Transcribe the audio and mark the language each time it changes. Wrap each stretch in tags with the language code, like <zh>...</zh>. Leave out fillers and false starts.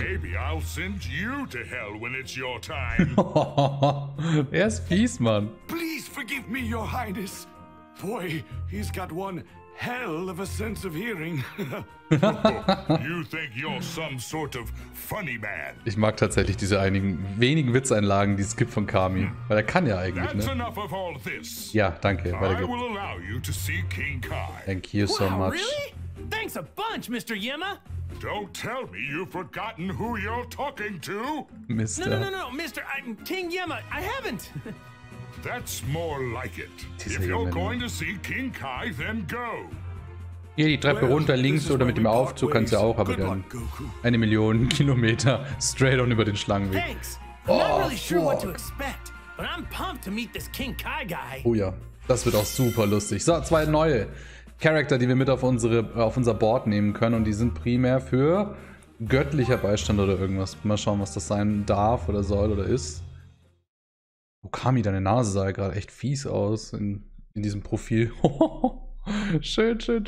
<en>Maybe I'll send you to hell when it's your time.</en> <de>Er ist fies, Mann.</de> <en>Please forgive me, your highness. Boy, he's got one hell of a sense of hearing. You think you're some sort of funny man.</en> <de>Ich mag tatsächlich diese einigen wenigen Witzeinlagen, die es gibt von Kami. Weil er kann ja eigentlich,</de> <en>that's</en> <de>ne?</de> <en>Enough of all this.</en> <de>Ja, danke. Weiter geht's.</de> <en>I will allow you to see King Kai. Thank you so wow, much. Really? Thanks a bunch, Mr. Yemma. Don't tell me you've forgotten who you're talking to. Mister. No, Mr. I'm King Yemma. I haven't. That's more like it. If you're going to see King Kai, then go.</en> <de>Hier die Treppe runter, links oder mit dem Aufzug kannst du auch, aber dann eine Million Kilometer</de> <en>straight on</en> <de>über den Schlangenweg.</de> <en>Thanks. I'm not really sure what to expect, but I'm pumped to meet this King Kai guy.</en> <de>Oh ja, das wird auch super lustig. So, zwei neue Charakter, die wir mit auf unser Board nehmen können, und die sind primär für göttlicher Beistand oder irgendwas. Mal schauen, was das sein darf oder soll oder ist. Okami, deine Nase sah ja gerade echt fies aus in diesem Profil. Schön.</de>